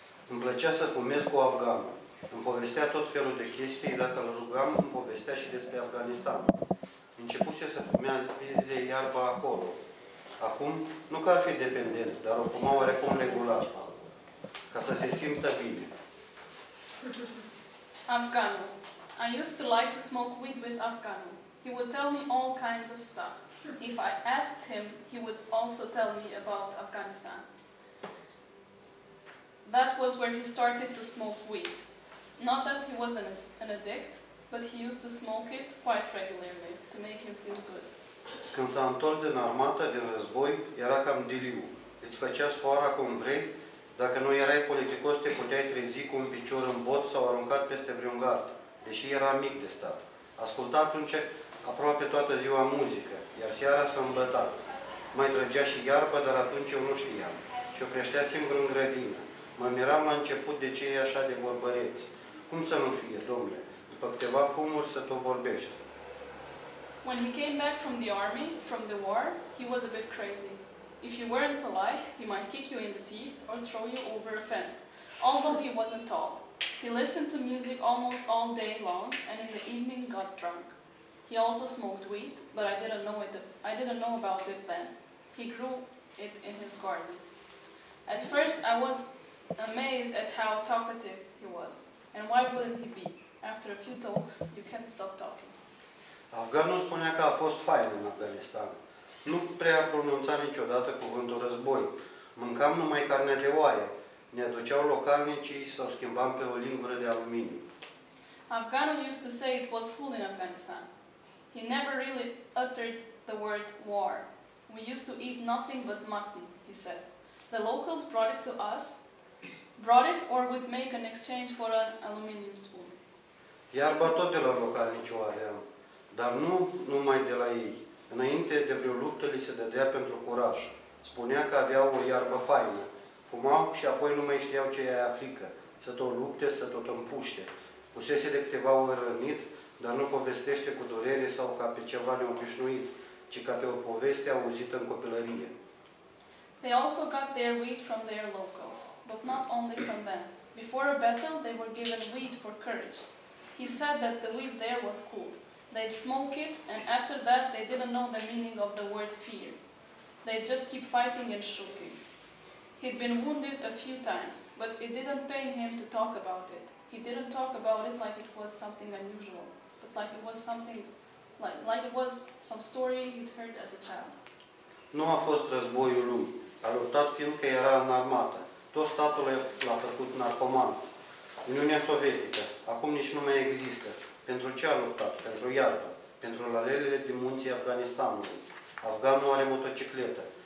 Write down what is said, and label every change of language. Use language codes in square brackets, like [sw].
[ro] Îmi plăcea să fumez cu afganul. Îmi povestea tot felul de chestii, dacă îl rugam, îmi povestea și despre Afganistan. Începuse să fumeze iarba acolo. Acum, nu că ar fi dependent, dar o fuma oarecum regulat, ca să se simtă bine. Afganul. [en] I used to like to smoke weed with Afganul. He would tell me all kinds of stuff. If I asked him, he would also tell me about Afghanistan. That was when he started to smoke weed. Not that he was an addict, but he used to smoke it quite regularly to make him feel good. [ro] Când s-a întors din armată, din război, era cam diliu. Îți făcea sfoara cum vrei, dacă nu erai politicos, te puteai trezi cu un picior în bot sau aruncat peste vreun gard, deși era mic de stat. Asculta atunci aproape toată ziua muzică, iar seara s-a îmbătat. Mai trăgea și iarbă, dar atunci eu nu știam. Și o creștea singur în grădină. Mă miram la început de ce e așa de vorbăreț. Cum să nu fie, domnule? După câteva fumuri să tot vorbești. [en] When he came back from the army, from the war, he was a bit crazy. If you weren't polite, he might kick you in the teeth or throw you over a fence, although he wasn't tall. He listened to music almost all day long and in the evening got drunk. He also smoked weed, but I didn't know about it then. He grew it in his garden. At first I was amazed at how talkative he was. And why wouldn't he be? After a few talks, you can't stop talking. [ro] Afganul spunea că a fost fain în Afganistan. Nu prea pronunța niciodată cuvântul război. Mâncam numai carne de oaie. Ne aduceau localnicii sau schimbam pe o lingură de aluminiu. [en] Afganul used to say it was full in Afghanistan. He never really uttered the word war. We used to eat nothing but mutton, he said. The locals brought it to us, brought it or would make an exchange for an aluminium spoon. [ro] Iarba tot de la localnicii o aveam. Dar nu numai de la ei. Înainte de vreo luptă, li se dădea pentru curaj. Spunea că aveau o iarbă faină. Fumau și apoi nu mai știau ce e aia frică. Să tot lupte, să tot împuște. Pusese de câteva ori rănit, dar nu povestește cu durere sau ca pe ceva neobișnuit, ci ca pe o poveste auzită în copilărie. [en] They also got their weed from their locals, but not only from them. Before a battle, they were given weed for courage. He said that the weed there was cool. They'd smoke it, and after that, they didn't know the meaning of the word fear. They'd just keep fighting and shooting. He'd been wounded a few times, but it didn't pain him to talk about it. He didn't talk about it like it was something unusual, but like it was something, like it was some story he'd heard as a child. [ro] Nu a fost războiul lui. A luptat fiindcă era în armată. Tot statul l-a făcut narcoman. Uniunea Sovietică, acum nici nu mai există. Pentru ce a luptat? Pentru iarbă. Pentru lalelele din munții Afganistanului. Afganul are motocicletă.